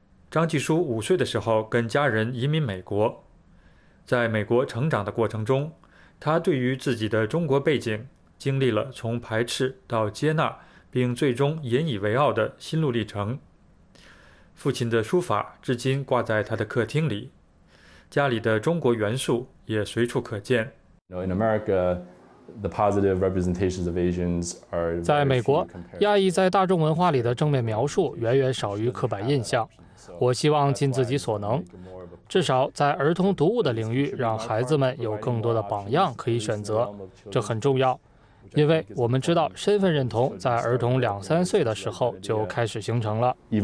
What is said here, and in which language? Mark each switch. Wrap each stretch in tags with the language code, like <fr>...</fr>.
<zh>张继书5岁的时候跟家人移民美国，在美国成长的过程中，他对于自己的中国背景经历了从排斥到接纳并最终引以为傲的心路历程。父亲的书法至今挂在他的客厅里，家里的中国元素也随处可见。</zh> <en>In America, the positive representations of Asians are</en> <zh>在美国，亚裔在大众文化里的正面描述远远少于刻板印象。我希望尽自己所能，至少在儿童读物的领域让孩子们有更多的榜样可以选择，这很重要，因为我们知道身份认同在儿童2-3岁的时候就开始形成了。</zh>